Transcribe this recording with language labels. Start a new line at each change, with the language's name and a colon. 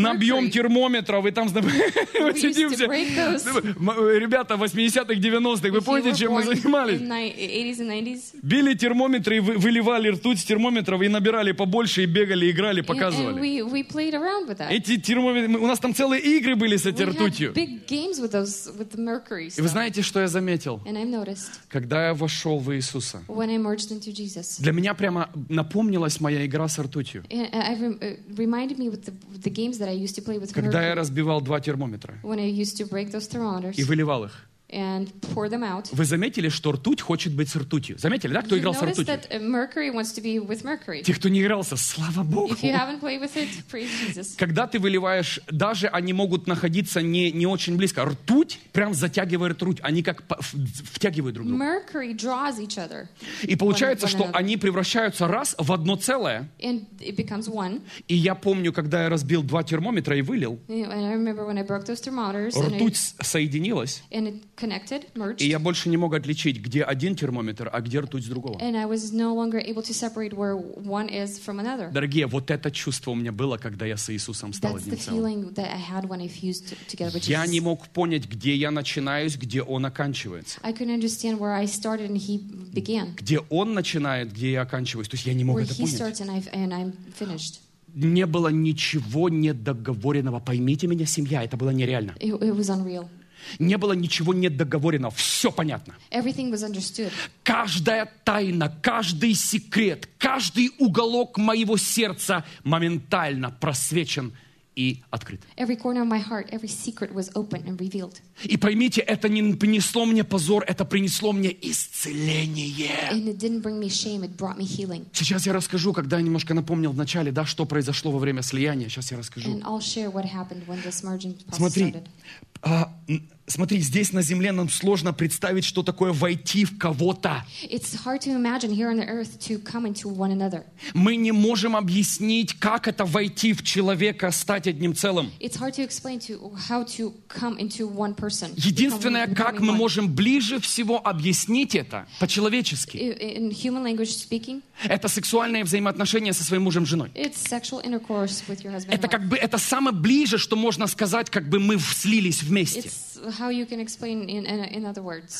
Russian: Набьем термометров, и там сидимся. Ребята, 80-х, 90-х, вы помните, чем мы занимались?
English: 80s and 90s.
Russian: Били термометры, выливали ртуть с термометров, и набирали побольше, и бегали, играли, показывали.
English: And we played around with that.
Russian: Эти термометры, у нас там целые игры были с этой ртутью.
English: We had big games with those, with the mercury.
Russian: И вы знаете, что я заметил?
English: And I noticed.
Russian: Когда я вошел в Иисуса.
English: When I merged into Jesus.
Russian: Для меня прямо напомнилась моя игра с ртутью.
English: Reminded me with the games that I used to play with
Russian: Когда я разбивал два термометра
English: when I used to break those thermometers
Russian: и выливал их
English: and pour them out.
Russian: Вы заметили, что ртуть хочет быть с ртутью? Заметили, да, кто
English: you
Russian: играл с ртутью?
English: That mercury wants to be with mercury.
Russian: Те, кто не игрался, слава Богу.
English: If you haven't played with it, praise Jesus.
Russian: Когда ты выливаешь, даже они могут находиться не очень близко. Ртуть прям затягивает ртуть. Они как втягивают друг друга.
English: Mercury draws each other.
Russian: И получается, что они превращаются раз в одно целое.
English: And it becomes one.
Russian: И я помню, когда я разбил два термометра и вылил.
English: And I remember when I broke those thermometers.
Russian: Ртуть соединилась.
English: And it connected, merged.
Russian: И я больше не мог отличить, где один термометр, а где ртуть с другого.
English: And I was no longer able to separate where one is from another.
Russian: Дорогие, вот это чувство у меня было, когда я с Иисусом стал одним целым.
English: That's the feeling that I had when I fused together with Jesus.
Russian: Я не мог понять, где я начинаюсь, где он оканчивается.
English: I couldn't understand where I started and he began.
Russian: Где он начинает, где я оканчиваюсь. То есть я не мог
English: where
Russian: это понять.
English: Where he starts and I'm finished.
Russian: Не было ничего недоговоренного. Поймите меня, семья, это было нереально.
English: It was unreal.
Russian: Не было ничего недоговоренного. Все понятно.
English: Everything was understood.
Russian: Каждая тайна, каждый секрет, каждый уголок моего сердца моментально просвечен и открыт.
English: Every corner of my heart, every secret was open and revealed.
Russian: И поймите, это не принесло мне позор, это принесло мне исцеление.
English: And it didn't bring me shame, it brought me healing.
Russian: Сейчас я расскажу, когда я немножко напомнил в начале, да, что произошло во время слияния. Сейчас я расскажу.
English: And I'll share what happened when this merging process
Russian: Смотри, здесь на земле нам сложно представить, что такое войти в кого-то.
English: It's hard to imagine here on the earth to come into one another.
Russian: Мы не можем объяснить, как это войти в человека, стать одним целым.
English: It's hard to explain to how to come into one person.
Russian: Единственное, как мы можем ближе всего объяснить это по-человечески.
English: In human language speaking.
Russian: Это сексуальные взаимоотношения со своим мужем, женой.
English: It's sexual intercourse with your husband.
Russian: Это как бы это самое ближе, что можно сказать, как бы мы слились вместе.
English: How you can explain in other words.